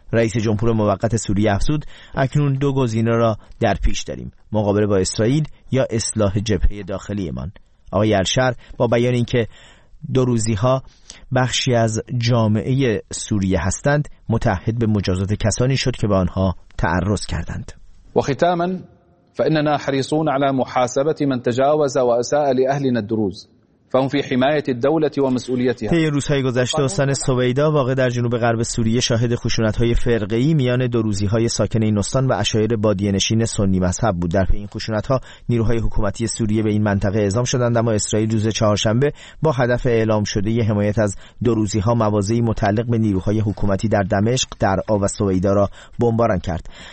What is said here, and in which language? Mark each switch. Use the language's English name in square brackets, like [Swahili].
[Persian] رئیس جمهور موقت سوریه افزود اکنون دو گزینه را در پیش داریم: مقابله با اسرائیل یا اصلاح جبهه داخلیمان. آقای الشر با بیان اینکه دو روزی ها بخشی از جامعه سوریه هستند، متحد به مجازات کسانی شد که به آنها تعرض کردند. [Arabic] و ختاما فاننا حريصون على محاسبه من تجاوز واساء لاهلنا الدروز فهم في حمايه الدوله ومسؤوليتها. [Persian] طی روزهای گذشته استان سویدا واقع در جنوب غرب سوریه شاهد خشونت های فرقه ای میان دو روزی های ساکن این استان و عشایر بادیه نشین سنی مذهب بود. در پی این خشونت ها نیروهای حکومتی سوریه به این منطقه اعزام شدند، اما اسرائیل روز چهارشنبه با هدف اعلام شده یه حمایت از دو روزی ها مواضعی متعلق به نیروهای حکومتی در دمشق، درعا و سویدا را بمباران کرد.